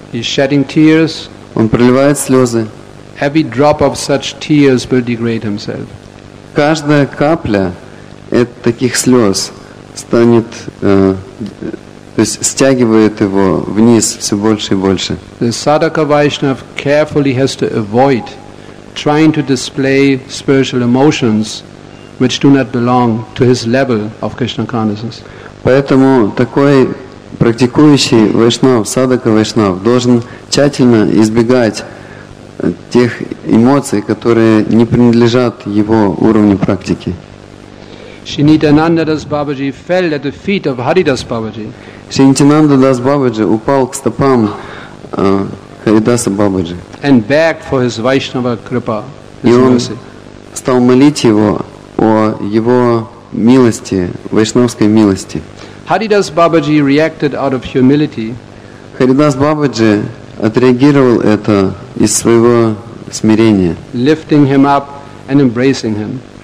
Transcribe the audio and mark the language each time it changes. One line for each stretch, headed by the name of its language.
English: He's shedding tears.
Russian: Он проливает слезы.
English: Every drop of such tears will degrade himself.
Russian: Каждая капля таких слез станет, то есть стягивает его вниз все больше и больше.
English: The sadhaka Vaishnava carefully has to avoid trying to display spiritual emotions which do not belong to his level of Krishna consciousness.
Russian: Поэтому такой практикующий вайшнав, садака вайшнав, должен тщательно избегать тех эмоций, которые не принадлежат его уровню практики.
English: Shri Nityananda Das Babaji fell at the feet of Haridas Babaji.
Russian: Shri Nityananda Das Babaji упал к стопам Харидаса Бабаджи.
English: And begged for his Vaishnava Kripa, his mercy.
Russian: И он стал молить его о его милости, вайшнавской милости.
English: Haridas Babaji reacted out of humility.
Russian: Харидас Бабаджи отреагировал это из своего смирения.
English: Lifting him up and embracing him.